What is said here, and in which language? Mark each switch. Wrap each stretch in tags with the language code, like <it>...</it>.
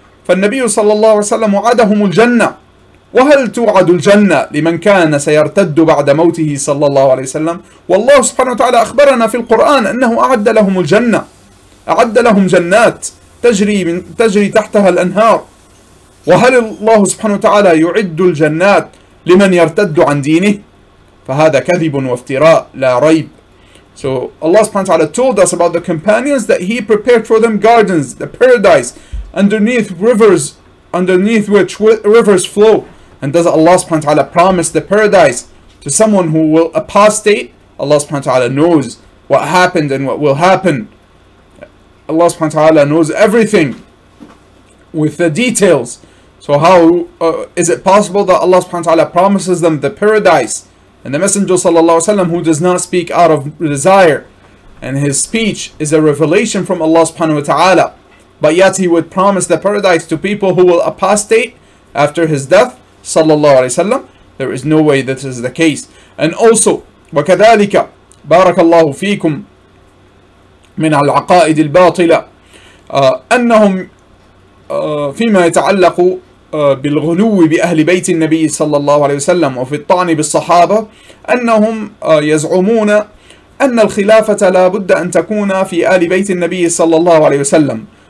<ar>فالنبي صلى الله عليه وسلم وعدهم الجنة, وهل توعد الجنة لمن كان سيرتد بعد موته صلى الله عليه وسلم؟ والله سبحانه وتعالى أخبرنا في القرآن أنه أعد لهم الجنة, أعد لهم جنات تجري تحتها الأنهار. وهل الله سبحانه وتعالى يعد الجنات لمن يرتد عن دينه؟ فهذا كذب وافتراء لا ريب.</ar> <en>So Allah سبحانه وتعالى told us about the companions that He prepared for them gardens, the paradise, underneath which rivers flow. And does Allah سبحانه وتعالى promise the paradise to someone who will apostate? Allah سبحانه وتعالى knows what happened and what will happen. Allah سبحانه وتعالى knows everything with the details. So how is it possible that Allah سبحانه وتعالى promises them the paradise, and the Messenger صلى الله عليه وسلم, who does not speak out of desire, and his speech is a revelation from Allah سبحانه وتعالى, but yet he would promise the paradise to people who will apostate after his death صلى الله عليه وسلم? There is no way this is the case. And also,</en> <ar>وكذلك بارك الله فيكم من العقائد الباطلة أنهم فيما يتعلق بالغلو بأهل بيت النبي صلى الله عليه وسلم وفي الطعن بالصحابة, أنهم يزعمون أن الخلافة لا بد أن تكون في آل بيت النبي صلى الله عليه وسلم.</ar>